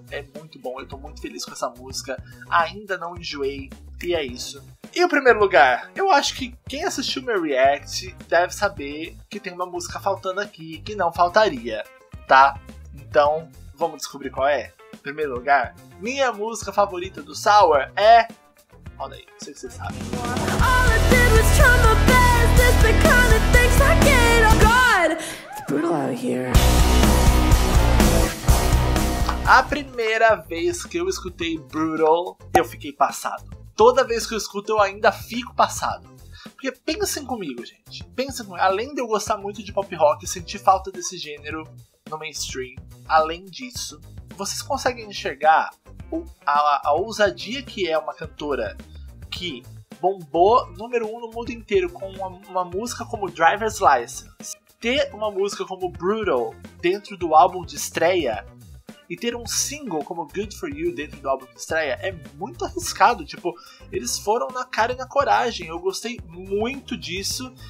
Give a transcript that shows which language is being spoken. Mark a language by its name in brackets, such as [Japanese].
[Portuguese] É muito bom, eu tô muito feliz com essa música, ainda não enjoei, e é isso. E o primeiro lugar? Eu acho que quem assistiu meu react deve saber que tem uma música faltando aqui, que não faltaria, tá? Então, vamos descobrir qual é? Primeiro lugar, minha música favorita do Sour é... Olha aí, não sei se vocês sabem. [English] All I did was try my best, it's the kind of things I get, oh God. It's brutal out here. [Portuguese] A primeira vez que eu escutei Brutal, eu fiquei passado. Toda vez que eu escuto, eu ainda fico passado. Porque pensem comigo, gente. Pensem comigo. Além de eu gostar muito de pop rock e sentir falta desse gênero no mainstream, além disso, vocês conseguem enxergar a ousadia que é uma cantora que bombou número 1 no mundo inteiro com uma música como Driver's License, ter uma música como Brutal dentro do álbum de estreia e ter um single como Good For You dentro do álbum de estreia é muito arriscado, tipo, eles foram na cara e na coragem, eu gostei muito disso.